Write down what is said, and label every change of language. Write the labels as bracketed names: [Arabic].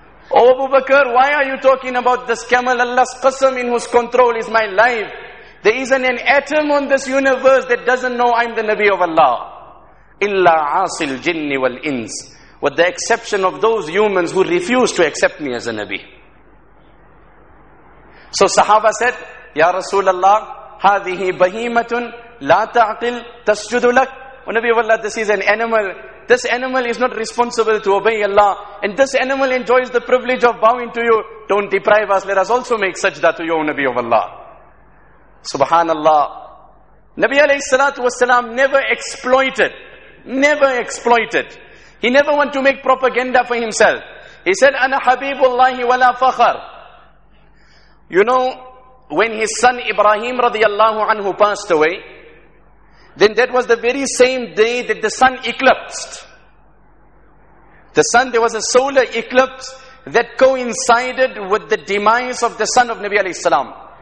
[English] O Abu Bakr, why are you talking about this camel? Allah's qasam, in whose control is my life. There isn't an atom on this universe that doesn't know I'm the Nabi of Allah. [Arabic] إِلَّا عَاصِ الْجِنِّ وَالْإِنْسِ. [English] With the exception of those humans who refuse to accept me as a Nabi. So Sahaba said, [Arabic] Ya Rasulullah, هَذِهِ بَهِيمَةٌ لَا تَعْقِلْ تَسْجُدُ لَكْ. [English] O Nabi of Allah, this is an animal. This animal is not responsible to obey Allah. And this animal enjoys the privilege of bowing to you. Don't deprive us. Let us also make sajda to you, O Nabi of Allah. Subhanallah. Nabi alayhi salatu wasalam never exploited. Never exploited. He never want to make propaganda for himself. He said, [Arabic] أَنَا حَبِيبُ اللَّهِ وَلَا فَخَرْ. [English] You know, when his son Ibrahim radiallahu anhu passed away, then that was the very same day that the sun eclipsed. The sun, there was a solar eclipse that coincided with the demise of the son of Nabi alayhi salam.